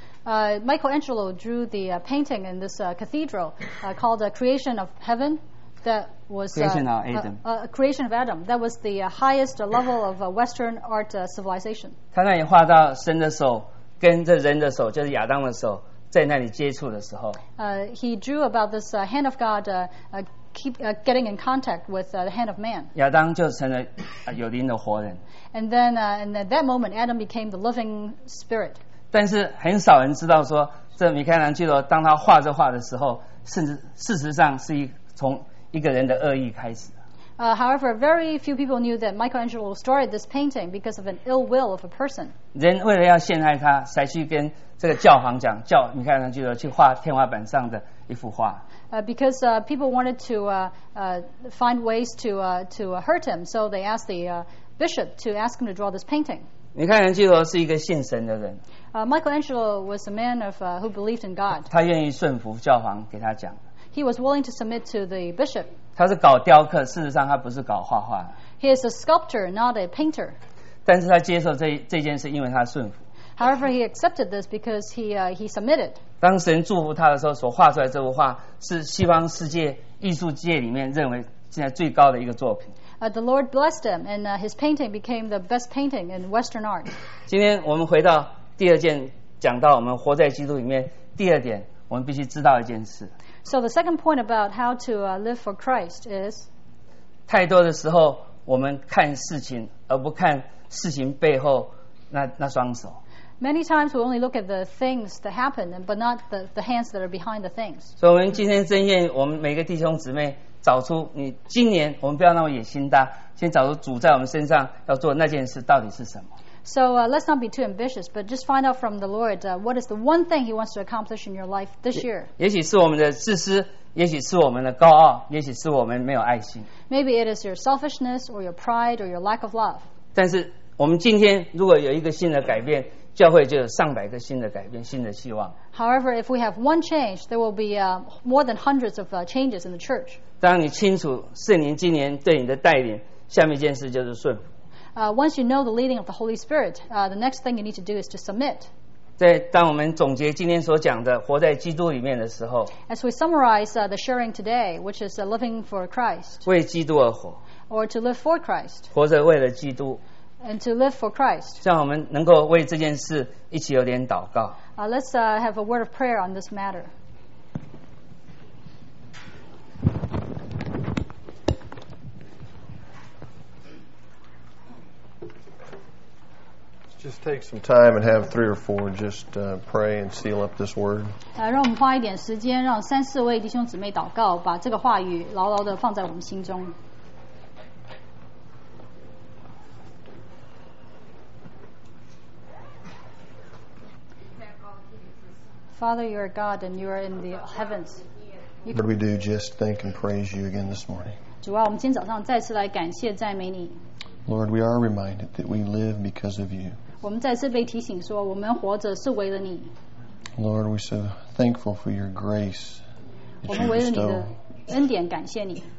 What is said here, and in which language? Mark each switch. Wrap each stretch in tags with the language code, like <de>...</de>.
<en>Michelangelo drew the painting in this cathedral called the Creation of Heaven. That was creation of Adam. Creation of Adam. That was the highest level of Western art civilization.</en> <zh>他那里画到神的手跟这人的手，就是亚当的手，在那里接触的时候。</zh> <en>He drew about this hand of God getting in contact with the hand of man.</en> <zh>亚当就成了有灵的活人。</zh> <en>And then, at that moment, Adam became the living spirit.</en> <zh>但是很少人知道说，这米开朗基罗当他画这画的时候，甚至事实上是从一个人的恶意开始。</zh> <en>However, very few people knew that Michelangelo started this painting because of an ill will of a person.</en> <zh>人为了要陷害他，才去跟这个教皇讲，叫米开朗基罗去画天花板上的一幅画。</zh> <en>Because people wanted to find ways to hurt him, so they asked the bishop to ask him to draw this painting.</en> <zh>米开朗基罗是一个信神的人。</zh> <en>Michelangelo was a man of who believed in God.</en> <zh>他愿意顺服教皇给他讲。</zh> <en>He was willing to submit to the bishop.</en> <zh>他是搞雕刻，事实上他不是搞画画。</zh> <en>He is a sculptor, not a painter.</en> <zh>但是他接受这件事，因为他顺服。</zh> <en>However, he accepted this because he submitted.</en> <zh>当神祝福他的时候，所画出来这幅画是西方世界艺术界里面认为现在最高的一个作品。</zh> <en>The Lord blessed him, and his painting became the best painting in Western art.</en> <zh>今天我们回到第二件，讲到我们活在基督里面，第二点我们必须知道一件事。</zh> <en>So the second point about how to live for Christ is</en> <zh>太多的时候我们看事情而不看事情背后那双手。</zh> <en>Many times we only look at the things that happen but not the hands that are behind the things.</en> <zh>所以我们今天真愿我们每个弟兄姊妹找出你今年我们不要那么野心大，先找出主在我们身上要做那件事到底是什么。</zh> <en>So let's not be too ambitious, but just find out from the Lord what is the one thing He wants to accomplish in your life this year.</en> <zh>也许是我们的自私，也许是我们的高傲，也许是我们没有爱心。</zh> <en>Maybe it is your selfishness or your pride or your lack of love.</en> <zh>但是我们今天如果有一个新的改变，教会就有上百个新的改变，新的希望。</zh> <en>However, if we have one change, there will be more than hundreds of changes in the church.</en> <zh>当你清楚圣灵今年对你的带领，下面一件事就是顺服。</zh> <en>Once you know the leading of the Holy Spirit, the next thing you need to do is to submit.</en> <zh>在当我们总结今天所讲的活在基督里面的时候，</zh> <en>As we summarize the sharing today, which is living for Christ,</en> <zh>为基督而活，</zh> <en>or to live for Christ,</en> <zh>活着为了基督，</zh> <en>and to live for Christ,</en> <zh>让我们能够为这件事一起有点祷告。</zh> <en>Let's have a word of prayer on this matter. Just take some time and have three or four just pray and seal up this word.</en> <zh>让我们花一点时间，让三四位弟兄姊妹祷告，把这个话语牢牢地放在我们心中。</zh> <en>Father, you are God and you are in the heavens. Lord, we do just thank and praise you again this morning.</en> <zh>主啊，我们今天早上再次来感谢赞美你。</zh> <en>Lord, we are reminded that we live because of you.</en> <zh>我们再次被提醒说，我们活着是为了你。</zh> <en>Lord, we're so thankful for your grace.</en> <zh>我们为了你的恩典感谢你。</zh>